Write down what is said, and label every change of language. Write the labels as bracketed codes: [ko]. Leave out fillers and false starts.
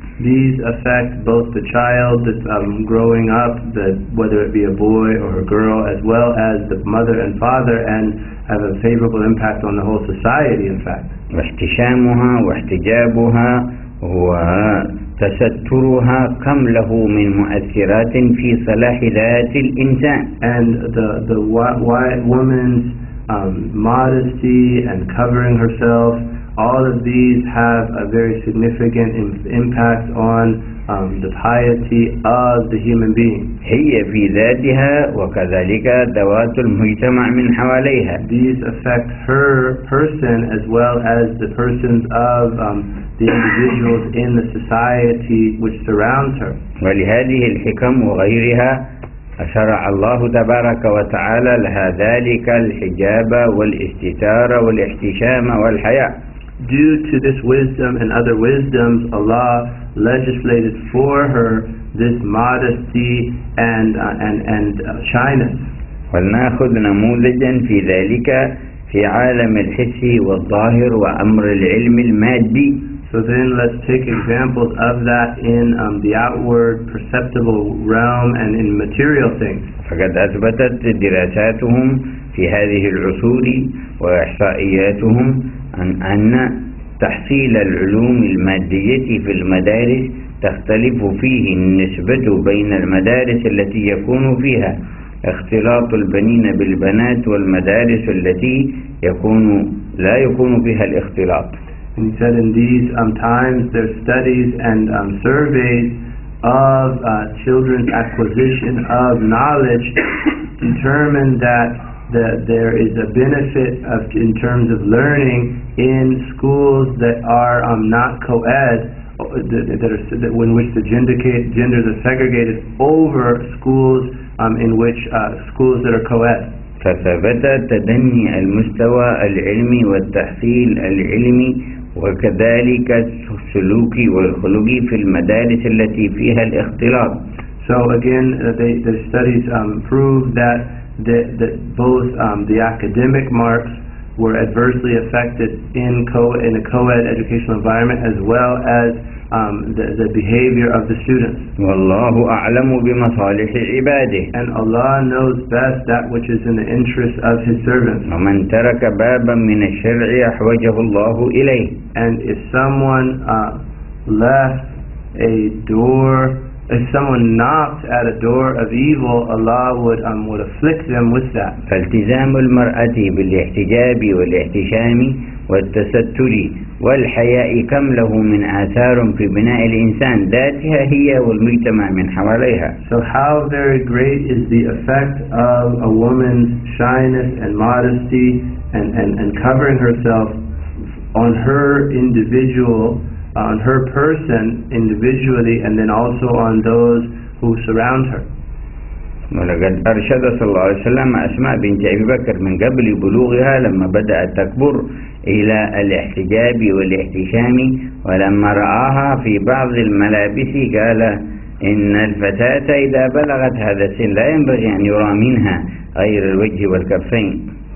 [en] These affect both the child that's growing up, whether it be a boy or a girl, as well as the mother and father, and have a favorable impact on the whole society, in fact. [ar] واحتشامها واحتجابها وتسترها كم له من مؤثرات في صلاح ذات الإنسان. [en] And the white woman's modesty and covering herself, all of these have a very significant impact on the piety of the human being. [ar] هي في ذاتها وكذلك ذوات المجتمع من حواليها. [en] These affect her person as well as the persons of the individuals in the society which surrounds her. [ar] ولهذه الحكم وغيرها أشرع الله تبارك وتعالى لها ذلك الحجاب والاستتار والاحتشام والحياء. [en] Due to this wisdom and other wisdoms, Allah legislated for her this modesty and shyness. [ar] ولنأخذ نموذجا في ذلك في عالم الحس والظاهر وأمر العلم المادي. [en] So then let's take examples of that in the outward perceptible realm and in material things. [ar] فقد أثبتت دراساتهم في هذه العصور وإحصائياتهم أن تحصيل العلوم المادية في المدارس تختلف فيه النسبة بين المدارس التي يكون فيها اختلاط البنين بالبنات والمدارس التي لا يكون فيها الاختلاط. [en] And he said in these times there are studies and surveys of children's acquisition of knowledge determine that there is a benefit of in terms of learning in schools that are not co-ed, in which the genders are segregated over schools in which schools that are co-ed. [ar] فثبت تدني المستوى العلمي والتحصيل العلمي وكذلك السلوك والخلق في المدارس التي فيها الاختلاط. [en] So again, the studies prove that both the academic marks were adversely affected in a co-ed educational environment as well as the behavior of the students. [ar] والله أعلم بمصالح عباده. [en] And Allah knows best that which is in the interest of His servants. [ar] ومن ترك بابا من الشرع أحوجه الله إليه. [en] And if someone left a door, if someone knocked at a door of evil, Allah would afflict them with that. [ar] فالتزام المرأة بالاحتجاب والاحتشام والتستر والحياء كم له من آثار في بناء الإنسان ذاتها هي والمجتمع من حواليها. [en] So how very great is the effect of a woman's shyness and modesty and covering herself on her individual, on her person individually, and then also on those who surround her. [ar] ولقد أرشد صلى الله عليه وسلم أسماء بنت أبي بكر من قبل بلوغها لما بدأت تكبر إلى الاحتجاب والاحتشام ولما رآها في بعض الملابس قال إن الفتاة إذا بلغت هذا السن لا ينبغي أن يرى منها غير الوجه والكفين.